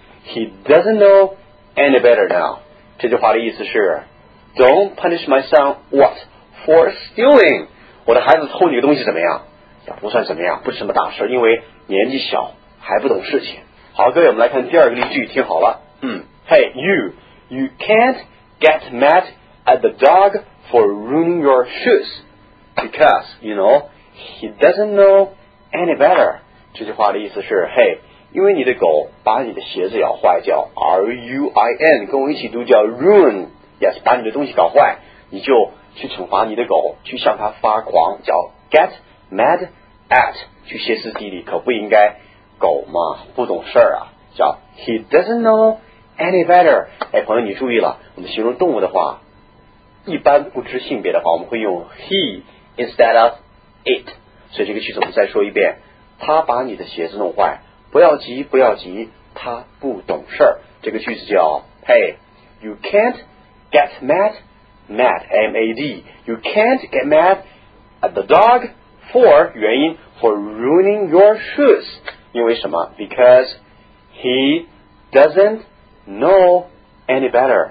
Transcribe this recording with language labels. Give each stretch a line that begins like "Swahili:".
English: He doesn't know any better now.
Chinese: 这句话的意思是
English: Don't punish my son what? For stealing.
Chinese: 我的孩子偷你的东西怎么样？也不算怎么样，不是什么大事，因为年纪小还不懂事情。好，各位，我们来看第二个例句，听好了。
English: Hey, you can't get mad at the dog for ruining your shoes. Because, you know, he doesn't know any better.
Chinese: 这句话的意思是 Hey, 因为你的狗把你的鞋子咬坏，叫 R-U-I-N, 跟我一起读叫 ruin. Yes, 把你的东西搞坏，你就去惩罚你的狗，去向它发狂，叫
English: get mad at,
Chinese: 去歇斯底里，可不应该狗嘛，不懂事啊，叫
English: he doesn't know any better.
Chinese: 哎，朋友你注意了，我们形容动物的话一般不知性别的话，我们会用
English: he instead of it.
Chinese: 所以这个句子我们再说一遍，他把你的鞋子弄坏，不要急不要急，他不懂事。这个句子叫
English: Hey, you can't get mad, mad, M-A-D, you can't get mad at the dog for,
Chinese: 原因
English: for ruining your shoes.
Chinese: 因为什么？
English: Because he doesn't know any better.